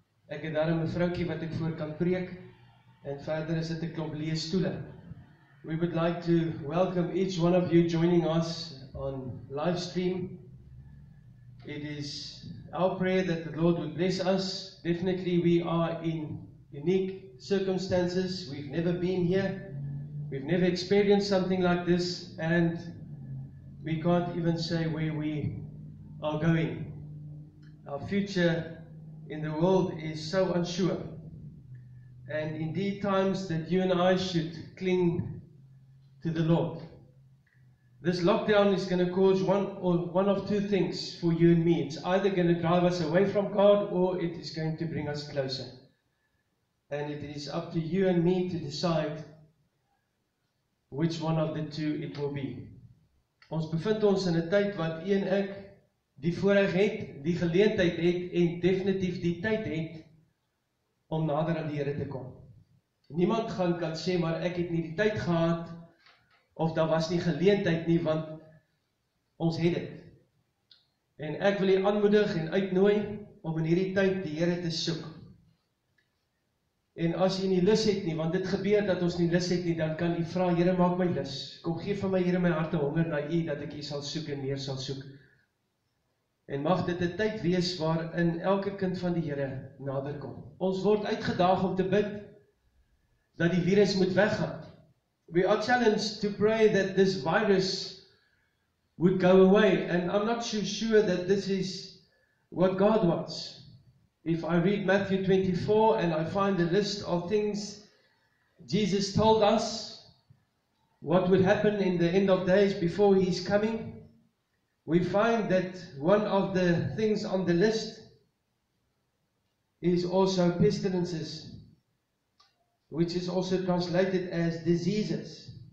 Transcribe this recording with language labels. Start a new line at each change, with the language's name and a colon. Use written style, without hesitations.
Afrikaans: Ek het daarom 'n vroukie wat ek voor kan preek. En verder is dit 'n klomp leesstoele.
English: We would like to welcome each one of you joining us on live stream. It is our prayer that the Lord would bless us. Definitely we are in unique circumstances. We've never been here. We've never experienced something like this, and we can't even say where we are going. Our future in the world is so unsure. And indeed times that you and I should cling to the Lord. This lockdown is going to cause one of two things for you and me. It's either going to drive us away from God or it is going to bring us closer. And it is up to you and me to decide which one of the two it will be.
Afrikaans: Ons bevind ons in 'n tyd wat u en ek die voorreg het, die geleentheid het en definitief die tyd het om nader aan die Here te kom. Niemand gaan kan sê maar ek het nie die tyd gehad of daar was nie geleentheid nie, want ons het dit. En ek wil u aanmoedig en uitnooi om in hierdie tyd die Here te soek. En as jy nie lus het nie, want dit gebeur dat ons nie lus het nie, dan kan jy vra, Here, maak my lus. Kom gee van my, Here, my hart te honger na jy, dat ek jy sal soek en meer sal soek. En mag dit 'n tyd wees waarin elke kind van die Here nader kom. Ons word uitgedaag om te bid dat die virus moet weggaan.
English: We are challenged to pray that this virus would go away. And I'm not so sure that this is what God wants. If I read Matthew 24 and I find a list of things Jesus told us, what would happen in the end of days before He's coming, we find that one of the things on the list is also pestilences, which is also translated as diseases.